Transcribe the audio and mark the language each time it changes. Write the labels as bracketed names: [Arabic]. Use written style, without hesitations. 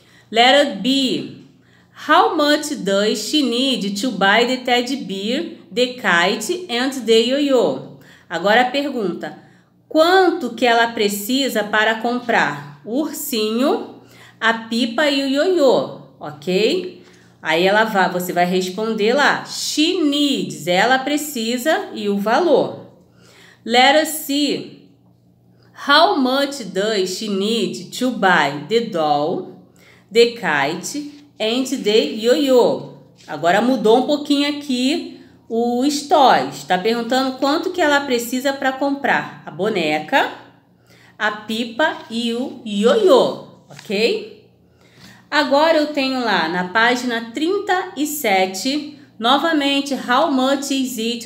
[English] Letter B, how much does she need to buy the teddy bear, the kite and the yo-yo? [Portuguese] Agora a pergunta, quanto que ela precisa para comprar o ursinho, a pipa e o yo-yo, ok? Aí ela vai, você vai responder lá, [English] she needs, [Portuguese] ela precisa e o valor. [English] Letter C, how much does she need to buy the doll, the kite and the yo-yo? [Portuguese] Agora mudou um pouquinho aqui o toys. Está perguntando quanto que ela precisa para comprar a boneca, a pipa e o yo-yo, ok? Agora eu tenho lá na página 37, novamente, [English] how much is it?